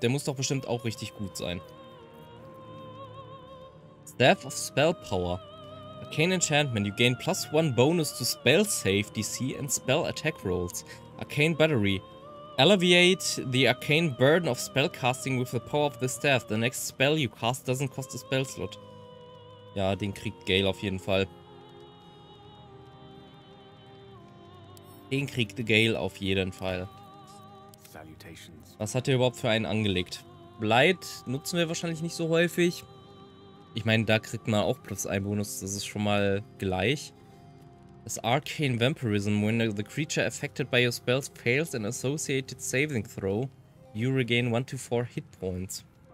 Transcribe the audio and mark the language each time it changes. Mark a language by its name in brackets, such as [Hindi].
[German] Der muss doch bestimmt auch richtig gut sein. Staff of Spell Power. A [English] Arcane Enchantment. You gain plus one bonus to spell save DC and spell attack rolls. Arcane Battery. Alleviate the arcane burden of spell casting with the power of the staff. The next spell you cast doesn't cost a spell slot. [German] Ja, den kriegt Gale auf jeden Fall. Den kriegt Gale auf jeden Fall. Salutations. Was hat er überhaupt für einen angelegt? Blight nutzen wir wahrscheinlich nicht so häufig. Ich meine, da kriegt man auch plus ein Bonus. Das ist schon mal gleich. Das Arcane Vampirism. [English] When the creature affected by your spells fails an associated saving throw, you regain 1-4 hit points.